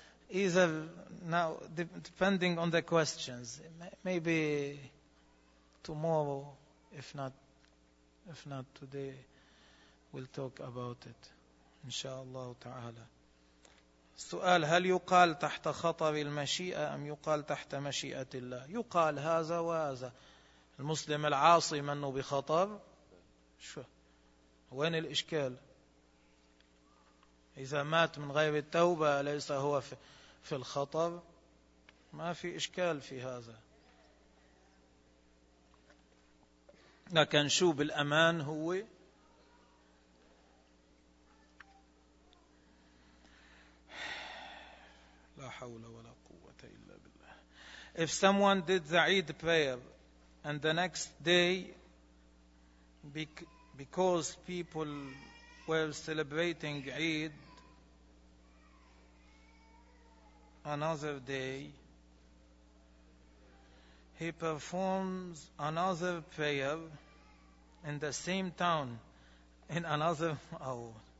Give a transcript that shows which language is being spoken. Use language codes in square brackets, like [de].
[en] Either now, depending on the questions, maybe tomorrow, if not today, we'll talk about it. [ar] إن شاء الله تعالى. سؤال: هل يقال تحت خطر المشيئة أم يقال تحت مشيئة الله؟ يقال هذا وهذا. المسلم العاصي منه بخطر؟ شو؟ وين الإشكال؟ إذا مات من غير التوبة ليس هو في الخطر؟ ما في إشكال في هذا. لكن شو بالأمان هو؟ لا حول ولا قوة إلا بالله. [en] If someone did the Eid prayer and the next day because people were celebrating Eid another day, he performs another prayer in the same town in another hour.